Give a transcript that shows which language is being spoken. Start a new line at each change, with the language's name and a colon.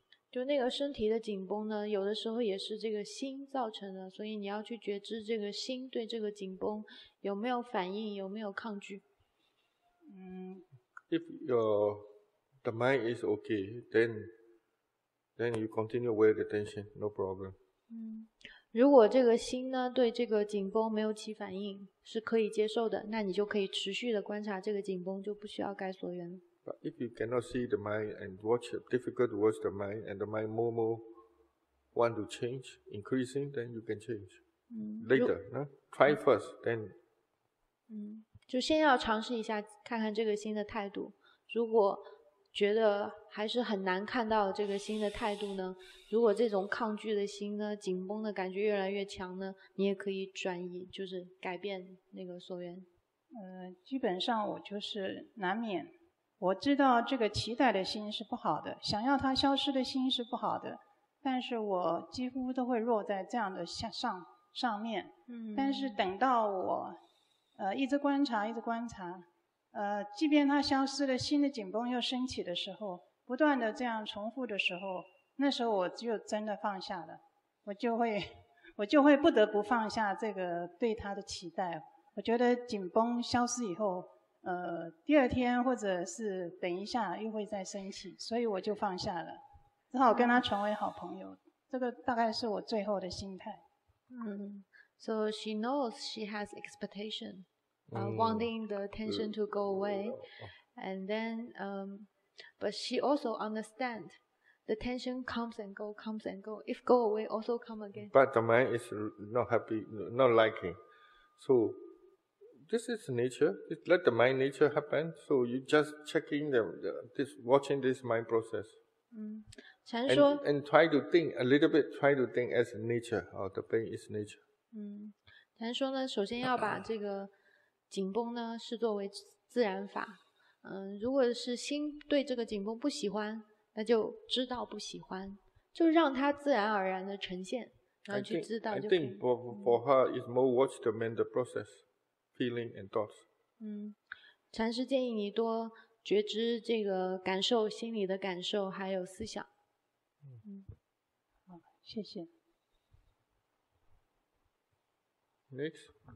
Chinese: 就那个身体的紧绷呢，有的时候也是这个心造成的，所以你要去觉知这个心对这个紧绷有没有反应，有没有抗拒。
English: If the mind is okay, then you continue wear the tension, no problem.
Chinese: 如果这个心呢对这个紧绷没有起反应，是可以接受的，那你就可以持续的观察这个紧绷，就不需要改所缘。
English: But if you cannot see the mind and watch it, difficult to watch the mind, and the mind more want to change, increasing, then you can change. Later, no? Try first, then.
Chinese: 就先要尝试一下，看看这个新的态度。如果觉得还是很难看到这个新的态度呢，如果这种抗拒的心呢，紧绷的感觉越来越强呢，你也可以转移，就是改变那个所缘。基本上我就是难免。我知道这个期待的心是不好的，想要它消失的心是不好的，但是我几乎都会落在这样的上面。但是等到我一直观察一直观察，即便它消失了，心的紧绷又升起的时候，不断的这样重复的时候，那时候我就真的放下了，我就会不得不放下这个对它的期待。我觉得紧绷消失以后，第二天或者是等一下又会再升起，所以我就放下了，只好跟他成为好朋友。这个大概是我最后的心态。
English: So she knows she has expectation, wanting the tension to go away, and then but she also understand the tension comes and go, if go away also come again. But the mind is not happy, not liking, so. This is nature. It let the mind nature happen. So you just checking this, watching this mind process.
Chinese: 禅说
English: and try to think a little bit. Try to think as nature. Or the pain is nature.
Chinese: 禅说呢，首先要把这个紧绷呢视作为自然法。如果是心对这个紧绷不喜欢，那就知道不喜欢，就让它自然而然的呈现，然后去知道就可以。
English: I think for her is more watch the mental process. Feeling and thoughts.
Chinese: 禅师建议你多觉知这个感受，心里的感受还有思想。好，谢谢。
English: Next.